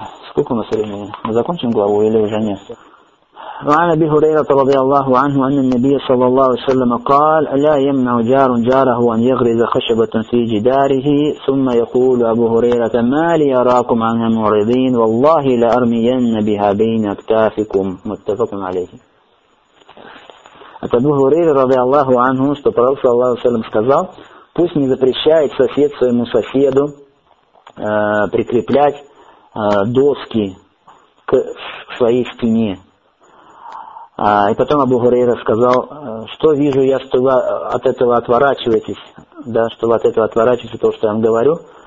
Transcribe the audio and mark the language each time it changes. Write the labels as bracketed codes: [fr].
[ru] Сколько у нас времени? Мы закончим главу или уже нет? [ar] وعن أبي هريرة رضي الله عنه أن النبي صلى الله عليه وسلم قال لا يمنع جار جاره أن يغرز خشبة في جداره ثم يقول أبو هريرة ما لي أراكم عنها معرضين والله لأرمين بها بين أكتافكم متفق عليه. [ru] أبو هريرة رضي الله عنه что пророк صلى الله عليه وسلم сказал, пусть не запрещает сосед своему соседу прикреплять доски к своей стене. И потом Абу Гурейра сказал, что вижу я, что вы от этого отворачиваетесь, да, что вы от этого отворачиваетесь, то, что я вам говорю.